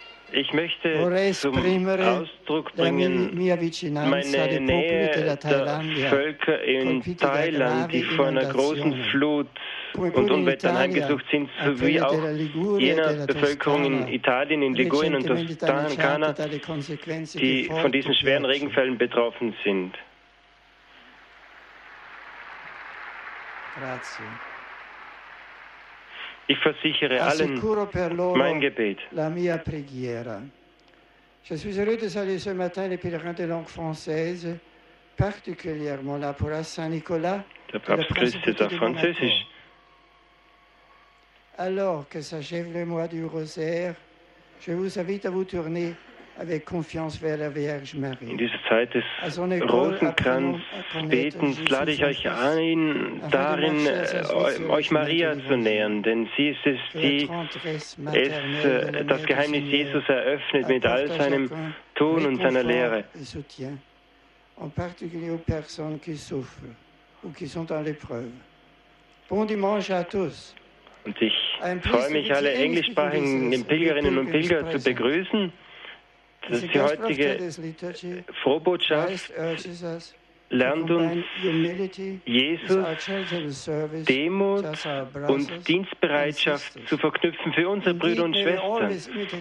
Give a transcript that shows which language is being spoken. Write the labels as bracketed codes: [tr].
[de] ich möchte zum Ausdruck bringen meine Nähe der Völker in Thailand, die vor einer großen Flut und Unwettern heimgesucht sind, sowie auch jener Bevölkerung in Italien, in Ligurien und Toskana, die von diesen schweren Regenfällen betroffen sind. [it] Grazie. [de] Ich versichere allen mein Gebet. [it] La mia preghiera. [fr] Je suis heureux de saluer ce matin les pèlerins de langue française, particulièrement là pour la Saint-Nicolas. [de] Der Papst grüßt jetzt auf Französisch. [fr] Alors que s'achève le mois du rosaire, je vous invite à vous tourner avec confiance vers la Vierge Marie. [de] In dieser Zeit des Rosenkranzbetens lade ich euch ein, darin euch Maria zu nähern, denn sie ist es, die es, das Geheimnis Jesus eröffnet mit all seinem Tun und seiner Lehre. [fr] En particulier aux personnes qui souffrent ou qui sont dans l'épreuve. Bon dimanche à tous. [de] Und ich freue mich, alle englischsprachigen Pilgerinnen und Pilger zu begrüßen. Das ist die heutige Frohbotschaft lernt uns Jesus Demut und Dienstbereitschaft zu verknüpfen für unsere Brüder und Schwestern.